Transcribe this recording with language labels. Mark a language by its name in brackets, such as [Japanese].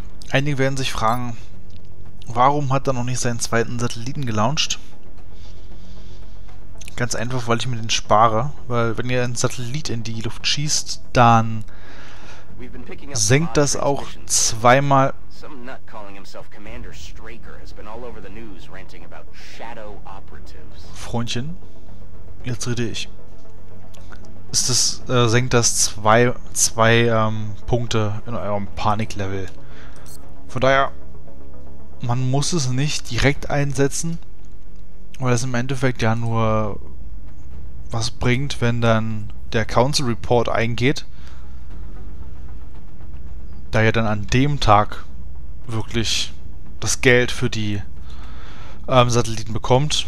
[German] Einige werden sich fragen, warum hat er noch nicht seinen zweiten Satelliten gelauncht? Ganz einfach, weil ich mir den spare. Weil wenn ihr einen Satellit in die Luft schießt, dann senkt das auch zweimal. [English] Some nut calling himself Commander Straker has been all over the news ranting about shadow operatives. [German] Freundchen, jetzt rede ich. Ist das, senkt das zwei Punkte in eurem Paniklevel. Von daher, man muss es nicht direkt einsetzen, weil es im Endeffekt ja nur was bringt, wenn dann der Council Report eingeht, da ja dann an dem Tag wirklich das Geld für die Satelliten bekommt.